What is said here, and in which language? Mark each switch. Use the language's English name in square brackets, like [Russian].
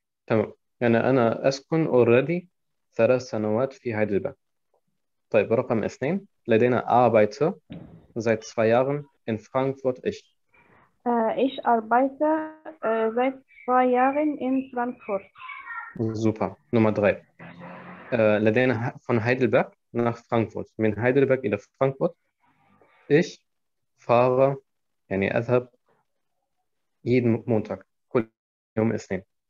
[Arabic] تمام، يعني أنا أسكن [English] already [Arabic] 3 سنوات في هايدلبرغ. طيب، رقم 2، لدينا [German] arbeite seit 2 Jahren in Frankfurt. [Arabic] ايش [German] arbeite seit 2 Jahren in Frankfurt. [Arabic] سوبر. نمرة 3، لدينا [German] von Heidelberg nach Frankfurt. [Arabic] من هايدلبرغ إلى فرانكفورت. [German] ich fahre، [Arabic] يعني أذهب [German] jeden Montag، [Arabic] كل يوم اثنين.